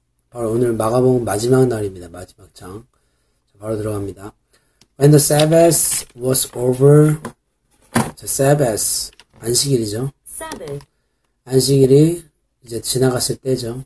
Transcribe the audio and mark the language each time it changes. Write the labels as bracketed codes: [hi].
[ko] 바로 오늘 마가복음 마지막 날입니다. 마지막 장. 바로 들어갑니다. [en] When the Sabbath was over, the Sabbath, [ko] 안식일이죠. [en] Sabbath. [ko] 안식일이 이제 지나갔을 때죠.